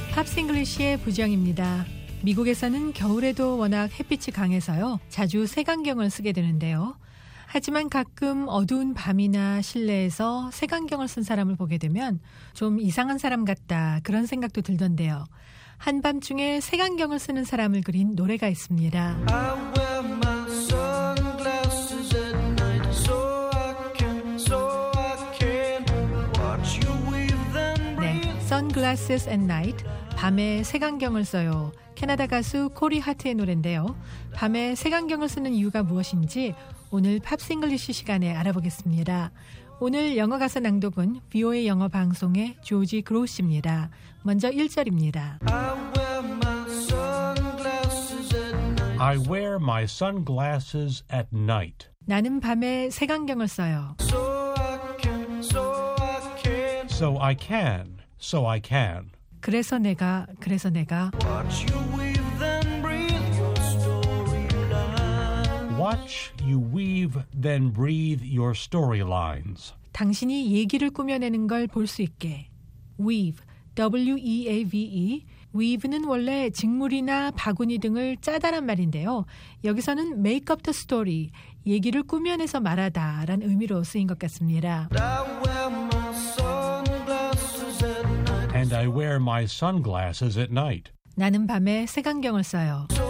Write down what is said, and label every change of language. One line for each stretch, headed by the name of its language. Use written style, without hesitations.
Korean: Pops English의 부정입니다. 미국에서는 겨울에도 워낙 햇빛이 강해서요. 자주 색안경을 쓰게 되는데요. 하지만 가끔 어두운 밤이나 실내에서 색안경을 쓴 사람을 보게 되면 좀 이상한 사람 같다 그런 생각도 들던데요. 한밤중에 색안경을 쓰는 사람을 그린 노래가 있습니다.
English: I wear my sunglasses at night so I can watch you with them breathe.
Korean: 네,
English: Sunglasses at night.
Korean: 밤에 색안경을 써요. 캐나다 가수 코리 하트의 노래인데요. 밤에 색안경을 쓰는 이유가 무엇인지 오늘 팝스 잉글리시 시간에 알아보겠습니다. 오늘 영어 가사 낭독은 VOA 영어 방송의 조지 그로우스입니다. 먼저 1절입니다.
English: I wear my sunglasses at night.
Korean: 나는 밤에 색안경을 써요.
English: So I can so I can.
Korean: 그래서 내가.
English: Watch you weave then breathe your storylines. Watch you weave then breathe your storylines.
Korean: 당신이 얘기를 꾸며내는 걸 볼 수 있게.
English: Weave, W-E-A-V-E.
Korean: Weave는 원래 직물이나 바구니 등을 짜다란 말인데요. 여기서는
English: make up the story,
Korean: 얘기를 꾸며내서 말하다란 의미로 쓰인 것 같습니다.
English: And I wear my sunglasses at night.
Korean: 나는 밤에 색안경을 써요.